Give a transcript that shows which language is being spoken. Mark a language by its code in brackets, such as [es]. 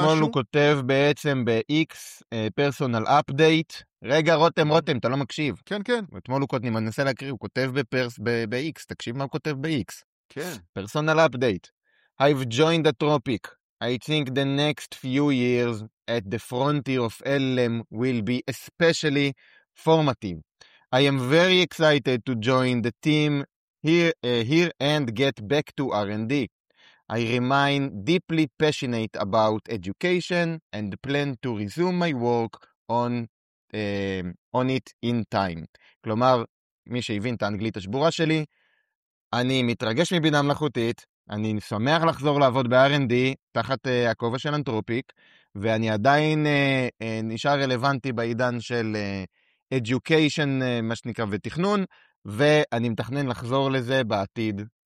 [he] אז אתמול הוא כותב בעצם ב-X [en] personal update. [he] רגע, רותם, אתה לא מקשיב. כן. אתמול הוא כותב, אני מנסה להקריא, הוא כותב ב-X, תקשיב מה הוא כותב ב-X. כן. [en] Personal update. I've joined the tropic. I think the next few years at the frontier of LM will be especially formative. I am very excited to join the team here and get back to R&D. I remain deeply passionate about education and plan to resume my work on it in time. [he] כלומר, מי שהבין את האנגלית השבורה שלי, אני מתרגש מבינה מלאכותית, אני שמח לחזור לעבוד ב-R&D תחת הכובע של אנתרופיק, ואני עדיין נשאר רלוונטי בעידן של education, מה שנקרא, ותכנון, ואני מתכנן לחזור לזה בעתיד.